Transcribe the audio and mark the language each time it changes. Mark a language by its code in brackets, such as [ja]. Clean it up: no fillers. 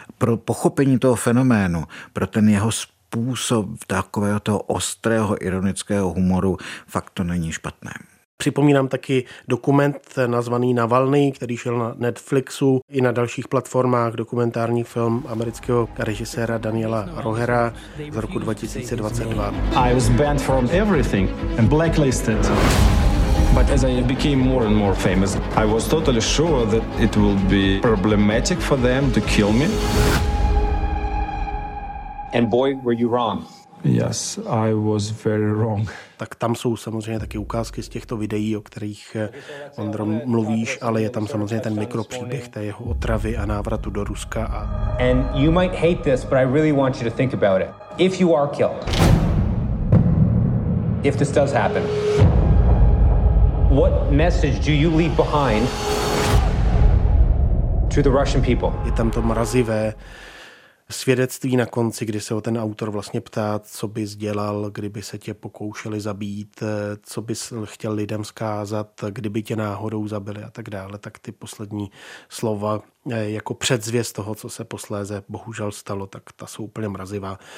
[cs] Pro pochopení toho fenomenu pro ten jeho způsob takového toho ostrého ironického humoru, fakt to není špatné. Připomínám taky dokument nazvaný Navalny, který šel na Netflixu i na dalších platformách, dokumentární film amerického režiséra Daniela Rohera z roku 2022. [en] I was banned from everything and blacklisted. But as I became more and more famous, I was totally sure that it will be problematic for them to kill me. And boy, were you wrong. Yes, I was very wrong. [cs] Tak tam jsou samozřejmě taky ukázky z těchto videí, o kterých, Ondro, mluvíš, ale je tam samozřejmě ten mikropříběh té jeho otravy a návratu do Ruska. A... [en] And you might hate this, but I really want you to think about it. If you are killed, if this does happen, what message do you leave behind to the Russian people? [cs] Je tam to mrazivé svědectví na konci, kdy se o ten autor vlastně ptá, co bys dělal, kdyby se tě pokoušeli zabít, co bys chtěl lidem zkázat, kdyby tě náhodou zabili a tak dále, tak ty poslední slova jako předzvěst toho, co se posléze bohužel stalo, tak ta jsou úplně mrazivá.